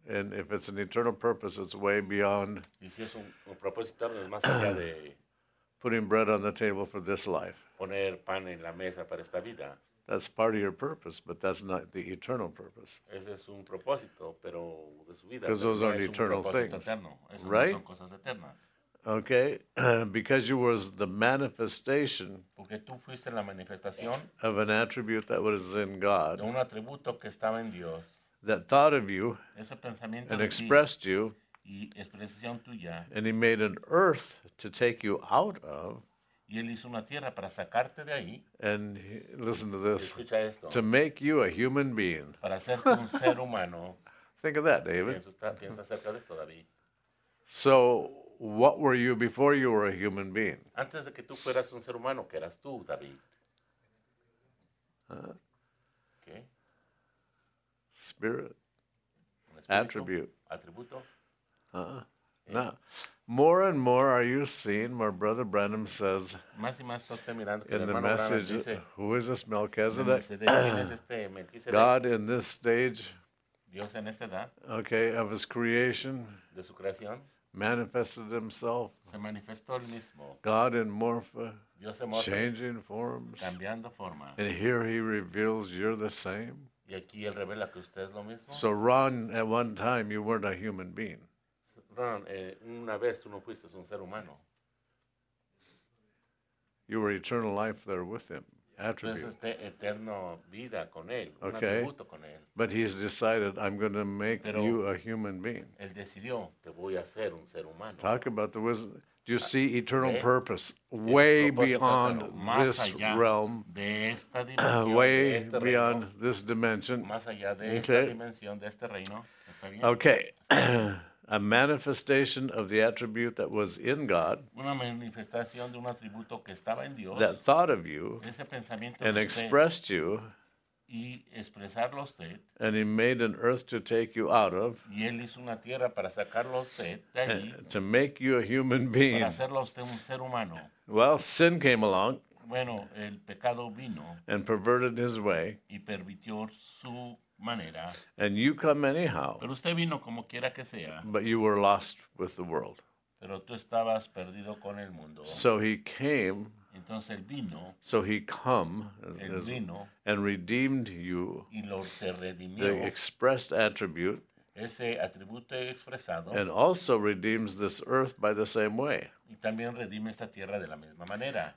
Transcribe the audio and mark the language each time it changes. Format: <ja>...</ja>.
<en>And if it's an eternal purpose, it's way beyond</en> <es>y si es un propósito eterno, es más allá de</es> <en>putting bread on the table for this life.</en> <es>Poner pan en la mesa para esta vida.</es> <en>That's part of your purpose, but that's not the eternal purpose.</en> <es>Ese es un propósito, pero de su vida.</es> <en>Because those aren't eternal things.</en> <es>Eterno.</es> <en>Right?</en> <es>No son cosas eternas.</es> <en>Okay, because you were the manifestation</en> <es>porque tú fuiste la manifestación</es> <en>of an attribute that was in God,</en> <es>de un atributo que estaba en Dios,</es> <en>that thought of you</en> <es>ese pensamiento</es> <en>and</en> <es>de</es> <en>expressed</en> <es>ti,</es> <en>you,</en> <es>y expresión tuya,</es> <en>and he made an earth to take you out of,</en> <es>y él hizo una tierra para sacarte de ahí,</es> <en>and he, listen to this,</en> <es>escucha esto,</es> <en>to make you a human being.</en> <es>Para hacerte un ser humano.</es> <en>Think of that, David.</en> <es>Piensa acerca de eso, David.</es> <en>So, what were you before you were a human being?</en> <es>Antes de que tú fueras un ser humano, ¿qué eras tú, David? ¿Qué?</es> <en>Spirit. Attribute.</en> <es>Atributo.</es> <en>Now, more and more are you seeing where Brother Branham says</en> <es>más y más estás mirando que</es> <en>in the message,</en> <es>dice,</es> <en>who is this Melchizedek?</en> <es>Melchizedek?</es> <en>God in this stage.</en> <es>Dios en esta edad.</es> <en>Okay, of his creation.</en> <es>De su creación.</es> <en>Manifested himself.</en> <es>Se manifestó el mismo.</es> <en>God in morpha.</en> <es>Dios se morfó.</es> <en>Changing forms.</en> <es>Cambiando forma.</es> <en>And here he reveals you're the same.</en> <es>Y aquí él revela que usted es lo mismo.</es> <en>So Ron, at one time you weren't a human being.</en> <es>Ron, una vez tú no fuiste un ser humano.</es> <en>You were eternal life there with him. Attribute.</en> <es>Entonces este eterno vida con él,</es> <en>okay.</en> <es>Un atributo con él.</es> <en>But he's decided, I'm going to make</en> <es>pero</es> <en>you a human being.</en> <es>Él decidió, te voy a hacer un ser humano.</es> <en>Talk about the wisdom. Do you see eternal purpose way beyond this realm?</en> <es>De esta dimensión,</es> <en>way</en> <es>de este</es> <en>beyond</en> <es>reino,</es> <en>this dimension.</en> <es>Más allá de okay. Esta dimensión, de este reino, ¿está bien?</es> <en>Okay. A manifestation of the attribute that was in God,</en> <es>una manifestación de un atributo que estaba en Dios,</es> <en>that thought of you</en> <es>ese pensamiento</es> <en>and expressed you,</en> <es>y expresarlo usted,</es> <en>and he made an earth to take you out of,</en> <es>y él hizo una tierra para sacarlo usted de allí,</es> <en>to make you a human being.</en> <es>Para hacerlo usted un ser humano.</es> <en>Well, sin came along,</en> <es>bueno, el pecado vino,</es> <en>and perverted his way,</en> <es>y pervirtió su manera.</es> <en>And you come anyhow.</en> <es>Pero usted vino como quiera que sea.</es> <en>But you were lost with the world.</en> <es>Pero tú estabas perdido con el mundo.</es> <en>So he came.</en> <es>Entonces él vino.</es> <en>So he come.</en> <es>Él vino.</es> <en>And redeemed you.</en> <es>Y lo te redimió.</es> <en>The expressed attribute.</en> <es>Ese atributo expresado.</es> <en>And also redeems this earth by the same way.</en> <es>Y también redime esta tierra de la misma manera.</es>